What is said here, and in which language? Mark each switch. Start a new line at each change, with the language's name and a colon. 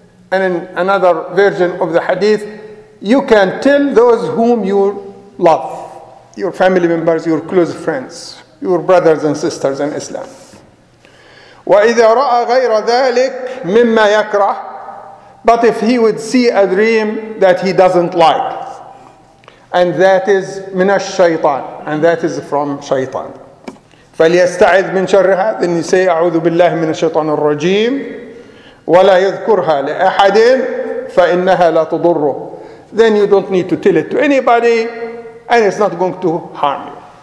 English: And in another version of the hadith, you can tell those whom you love, your family members, your close friends, your brothers and sisters in Islam.
Arabic: وَإِذَا رَأَ غَيْرَ ذَٰلِكَ مِمَّا يَكْرَهُ.
English: But if he would see a dream that he doesn't like, and that is
Arabic: من الشيطان,
English: and that is from شيطان.
Arabic: فَلْيَسْتَعِذْ مِنْ شَرِّهَا.
English: Then you say,
Arabic: أَعُوذُ بِاللَّهِ مِنَ الشَّيْطَانِ الرَّجِيمِ. وَلَا يَذْكُرْهَا لِأَحَدٍ فَإِنَّهَا لَا تُضُرُّهُ.
English: Then you don't need to tell it to anybody, and it's not going to harm you.